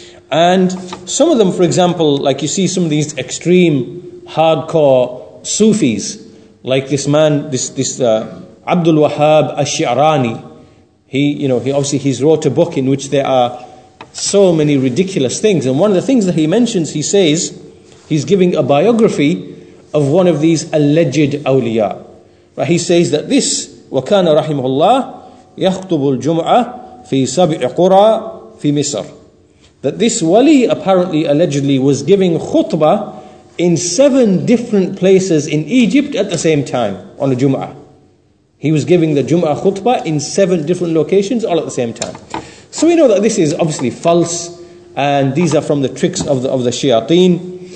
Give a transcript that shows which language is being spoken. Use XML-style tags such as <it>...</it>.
<en>And some of them, for example, like you see some of these extreme, hardcore Sufis, like this man, this Abdul Wahhab Ash-Shi'rani. He's wrote a book in which there are so many ridiculous things. And one of the things that he mentions, he says, he's giving a biography of one of these alleged awliya. Right, he says that this</en> <ar>وكان رحمه الله يخطب الجمعة في سبع قرى في مصر.</ar> <en>That this wali apparently, allegedly, was giving khutbah in 7 different places in Egypt at the same time on a Jum'ah. He was giving the Jum'ah khutbah in 7 different locations all at the same time. So we know that this is obviously false, and these are from the tricks of the shayateen.</en>